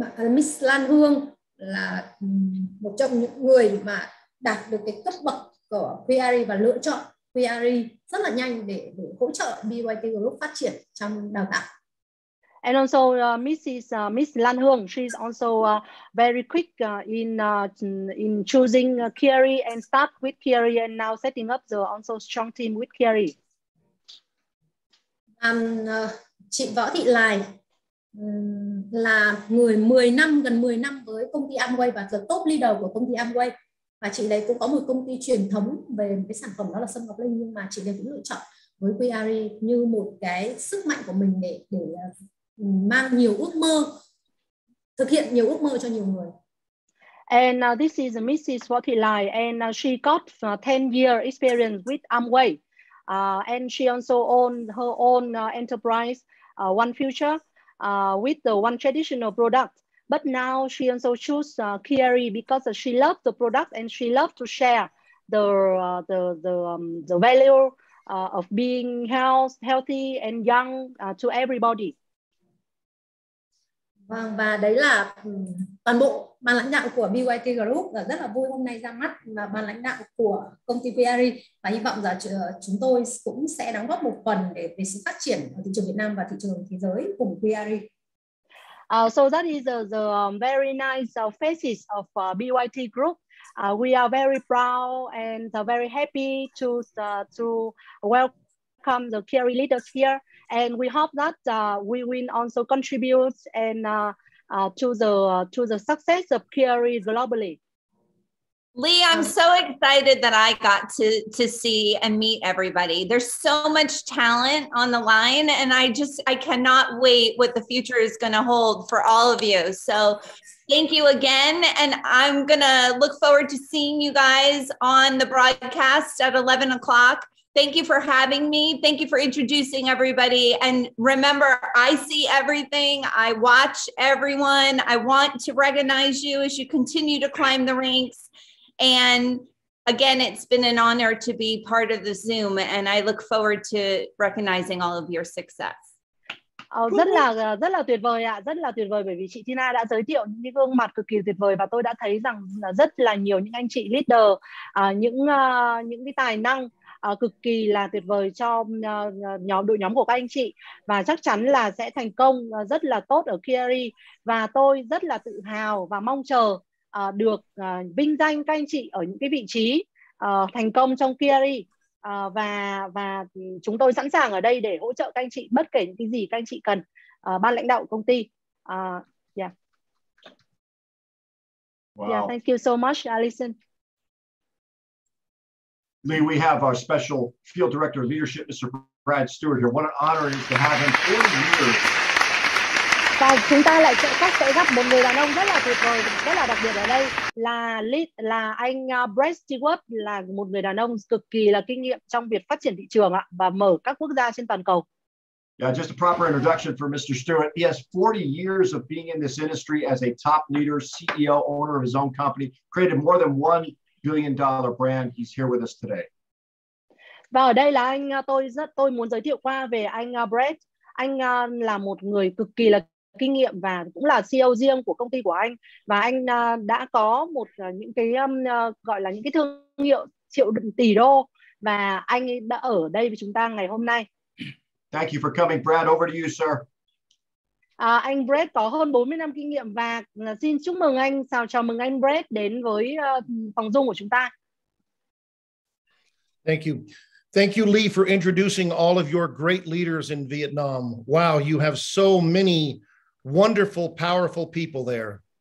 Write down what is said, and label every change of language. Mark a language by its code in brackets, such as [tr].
[vi] Miss Lan Hương là một trong những người mà đạt được cái cấp bậc của Kiari và lựa chọn Kiari rất là nhanh để hỗ trợ BYT Group phát triển trong đào tạo. [en] And also Miss Lan Hương, she's also very quick in choosing Kiari and start with Kiari and now setting up the also strong team with Kiari. [vi] Chị Võ Thị Lài là người 10 năm, gần 10 năm với công ty Amway và là top leader của công ty Amway. Và chị đấy cũng có một công ty truyền thống về cái sản phẩm đó là Sâm Ngọc Linh, nhưng mà chị đấy cũng lựa chọn với Kiari như một cái sức mạnh của mình để mang nhiều ước mơ, thực hiện nhiều ước mơ cho nhiều người. [en] And this is Mrs. Forty Lai, and she got 10-year experience with Amway. And she also owned her own enterprise, One Future, with the one traditional product, but now she also choose Kiari because she loves the product and she loves to share the value of being healthy and young to everybody. [vi] Vâng, và đấy là toàn bộ ban lãnh đạo của BYT Group, rất là vui hôm nay ra mắt ban lãnh đạo của công ty Kiari, và hy vọng rằng chúng tôi cũng sẽ đóng góp một phần để sự phát triển ở thị trường Việt Nam và thị trường thế giới cùng Kiari. [en] So that is the very nice faces of BYT Group. We are very proud and very happy to welcome the Kiari leaders here. And we hope that we will also contribute and to the success of Kiari globally. Lee, I'm so excited that I got to see and meet everybody. There's so much talent on the line, and I cannot wait what the future is going to hold for all of you. So thank you again, and I'm going to look forward to seeing you guys on the broadcast at 11 o'clock. Thank you for having me. Thank you for introducing everybody. And remember, I see everything. I watch everyone. I want to recognize you as you continue to climb the ranks. And again, it's been an honor to be part of the Zoom. And I look forward to recognizing all of your success. [vi] Oh, rất là tuyệt vời ạ, rất là tuyệt vời, bởi vì chị Tina đã giới thiệu những gương mặt cực kỳ tuyệt vời, và tôi đã thấy rằng là rất là nhiều những anh chị leader, những cái tài năng cực kỳ là tuyệt vời cho đội nhóm của các anh chị, và chắc chắn là sẽ thành công rất là tốt ở Kiari, và tôi rất là tự hào và mong chờ được vinh danh các anh chị ở những cái vị trí thành công trong Kiari. Và chúng tôi sẵn sàng ở đây để hỗ trợ các anh chị bất kể những cái gì các anh chị cần, ban lãnh đạo của công ty. [en] Wow. Yeah, thank you so much, Allison. Lee, we have our special field director of leadership, Mr. Brad Stewart here. What an honor it is to have him 4 years. [vi] Và chúng ta lại sẽ gặp một người đàn ông rất là tuyệt vời, rất là đặc biệt ở đây là lead, là anh Brad Stewart, là một người đàn ông cực kỳ là kinh nghiệm trong việc phát triển thị trường ạ, và mở các quốc gia trên toàn cầu. [en] Yeah, just a proper introduction for Mr. Stewart. He has 40 years of being in this industry as a top leader, CEO, owner of his own company, created more than $1 billion brand. He's here with us today. [vi] Và ở đây là anh, tôi muốn giới thiệu qua về anh Brad. Anh là một người cực kỳ là kinh nghiệm và cũng là CEO riêng của công ty của anh, và anh đã có một những cái gọi là những cái thương hiệu triệu tỷ đô, và anh đã ở đây với chúng ta ngày hôm nay. [en] Thank you for coming, Brad. Over to you, sir. [vi] Anh Brad có hơn 40 năm kinh nghiệm, và xin chúc mừng anh, chào mừng anh Brad đến với phòng Zoom của chúng ta. [en] Thank you. Thank you, Lee, for introducing all of your great leaders in Vietnam. Wow, you have so many wonderful, powerful people there.